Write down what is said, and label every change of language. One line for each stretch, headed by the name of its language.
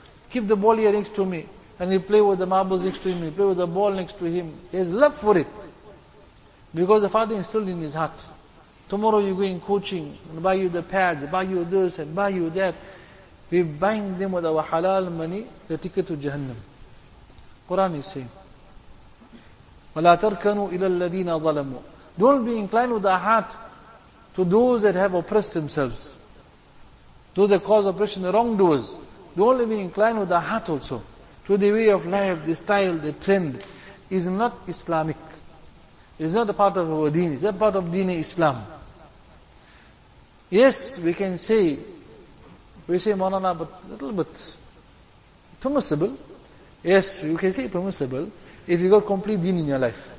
English: Keep the ball here next to me. And he'll play with the marbles next to him, he'll play with the ball next to him. He has love for it. Because the father is still in his heart. Tomorrow you're going coaching, and buy you the pads, buy you this and buy you that. We buying them with our halal money, the ticket to Jahannam. Quran is saying,
Arabic: وَلَا تَرْكَنُوا إِلَى الَّذِينَ ظَلَمُوا.
English: Don't be inclined with the heart to those that have oppressed themselves. Those that cause oppression, the wrongdoers. Don't be inclined with the heart also. To the way of life, the style, the trend, is not Islamic. It's not a part of our deen. It's a part of deen Islam. Yes, we can say, we say Maulana, but a little bit permissible. Yes, you can say permissible if you got complete deen in your life.